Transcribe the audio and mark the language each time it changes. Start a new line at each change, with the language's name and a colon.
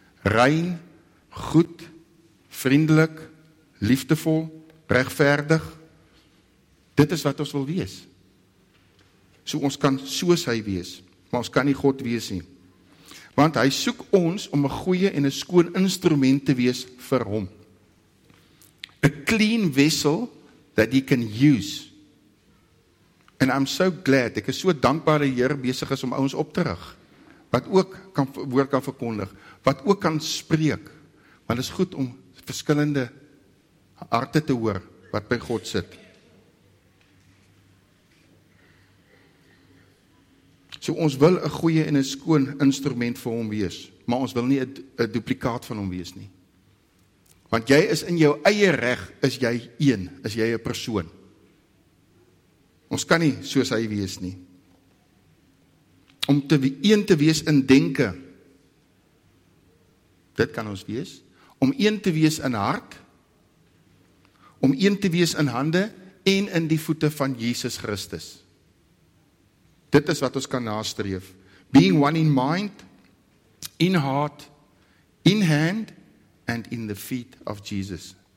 Afrikaans: Rein, goed, vriendelik, liefdevol, regverdig. Dit is wat ons wil wees. So ons kan soos hy wees, maar ons kan nie God wees nie. Want hy soek ons om 'n goeie en 'n skoon instrument te wees vir hom.
English: A clean vessel that he can use. And I'm so glad,
Afrikaans: ek is so dankbaar dat die Here besig is om ons op te rig, wat ook kan woord kan verkondig, wat ook kan spreek, want is goed om verskillende harte te hoor, wat by God sit. So ons wil 'n goeie en 'n skoon instrument vir hom wees, maar ons wil nie 'n duplikaat van hom wees nie. Want jy is in jou eie reg, is jy een, is jy 'n persoon. Ons kan nie soos hy wees nie. Om een te wees in denke, dit kan ons wees. Om een te wees in hart, om een te wees in hande, en in die voete van Jesus Christus. Dit is wat ons kan nastreef.
English: Being one in mind, in heart, in hand, and in the feet of Jesus.